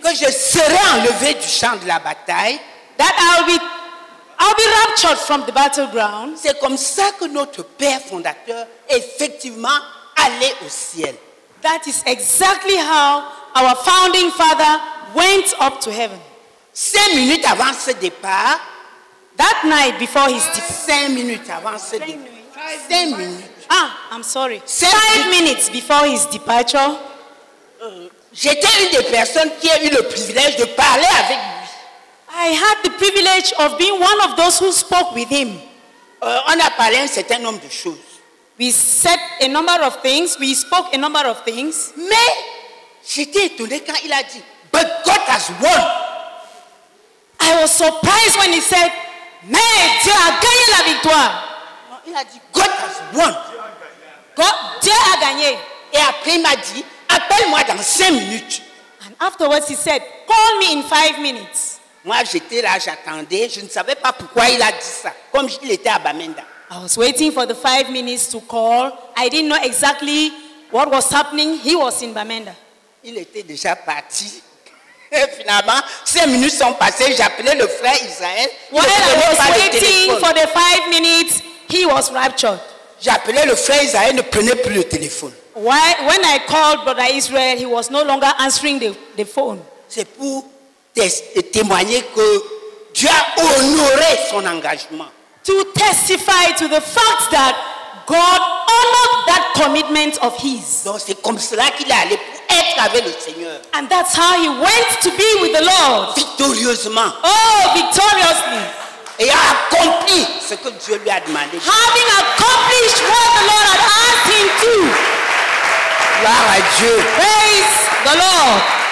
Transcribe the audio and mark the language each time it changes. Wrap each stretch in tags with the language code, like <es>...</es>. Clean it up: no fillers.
<fr>que je serai enlevé du champ de la bataille,</fr> <en>that I'll be raptured from the battleground,</en> <fr>c'est comme ça que notre père fondateur effectivement allait au ciel.</fr> <en>That is exactly how our founding father went up to heaven.</en> <fr>5 minutes avant ce départ,</fr> <en>that night before his departure,</en> <fr>5 minutes avant ce départ, 5 minutes.</fr> <en>I'm sorry. 5 minutes before his departure,</en> <fr>j'étais une des personnes qui a eu le privilège de parler avec lui.</fr> <en>I had the privilege of being one of those who spoke with him.</en> <fr>On a parlé un certain nombre de choses.</fr> <en>We said a number of things. We spoke a number of things.</en> <fr>Mais j'étais étonné quand il a dit,</fr> <en>"But God has won." I was surprised when he said,</en> <fr>"Mais Dieu a gagné la victoire." il a dit,</fr> <en>God has won. God,</en> <fr>Dieu a gagné. Et après, il m'a dit, appelle-moi dans 5 minutes.</fr> <en>And afterwards, he said, call me in 5 minutes.</en> <fr>Moi, j'étais là, j'attendais. Je ne savais pas pourquoi il a dit ça. Comme il était à Bamenda.</fr> <en>I was waiting for the 5 minutes to call. I didn't know exactly what was happening. He was in Bamenda.</en> <fr>Il était déjà parti. Et finalement, 5 minutes sont passées. J'appelais le frère Israël.</fr> <en>While I was waiting for the 5 minutes, he was raptured.</en> <fr>J'appelais le frère Israël, ne prenait plus le téléphone.</fr> <en>Why, when I called Brother Israel, he was no longer answering the phone.</en> <fr>C'est pour témoigner que Dieu a honoré son engagement.</fr> <en>To testify to the fact that God honored that commitment of his.</en> <fr>Donc c'est comme cela qu'il est allé pour être avec le Seigneur.</fr> <en>And that's how he went to be with the Lord.</en> <fr>Victorieusement.</fr> <en>Oh, victoriously.</en> <fr>Et a accompli ce que Dieu lui a demandé.</fr> <en>Having accomplished what the Lord had asked him to.</en> <fr>Gloire à Dieu.</fr> <en>Praise the Lord.</en>